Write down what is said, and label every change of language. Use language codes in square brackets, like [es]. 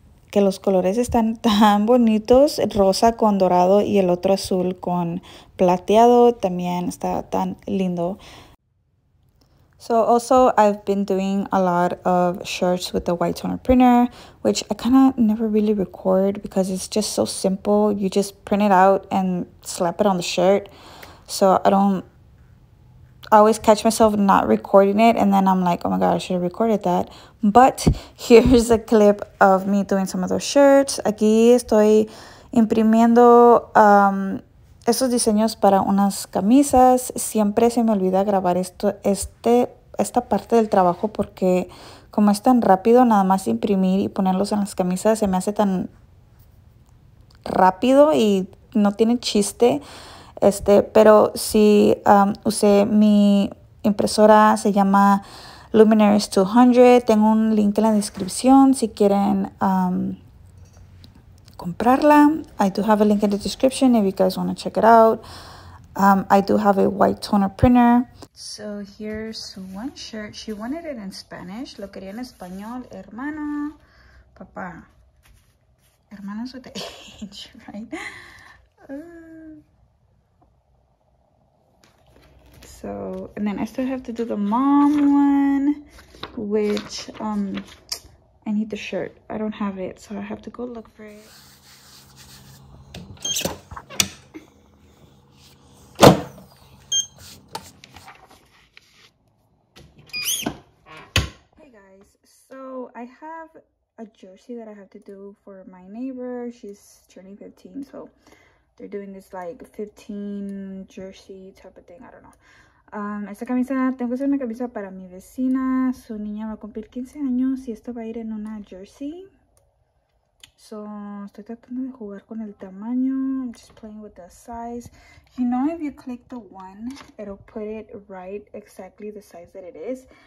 [es] Que los colores están tan bonitos, rosa con dorado y el otro azul con plateado, también está tan lindo. [en] So also I've been doing a lot of shirts with the white toner printer, which I kind of never really record because it's just so simple. You just print it out and slap it on the shirt, so I always catch myself not recording it, and then I'm like, oh my god, I should have recorded that. But here's a clip of me doing some of those shirts. [es] Aquí estoy imprimiendo esos diseños para unas camisas. Siempre se me olvida grabar esta parte del trabajo porque como es tan rápido, nada más imprimir y ponerlos en las camisas se me hace tan rápido y no tiene chiste. Pero sí, usé mi impresora, se llama Luminaries 200. Tengo un link en la descripción si quieren comprarla. [en] I do have a link in the description if you guys want to check it out. I do have a white toner printer. So here's one shirt. She wanted it in Spanish. [es] Lo quería en español. Hermano, papá. [en] Hermanos with the H, right? So, and then I still have to do the mom one, which I need the shirt. I don't have it, so I have to go look for it. Hey guys, so I have a jersey that I have to do for my neighbor. She's turning 15, so they're doing this like 15 jersey type of thing. I don't know. [es] Esta camisa, tengo que hacer una camisa para mi vecina. Su niña va a cumplir 15 años y esto va a ir en una jersey. So, estoy tratando de jugar con el tamaño. [en] I'm just playing with the size. You know, if you click the one, it'll put it right exactly the size that it is.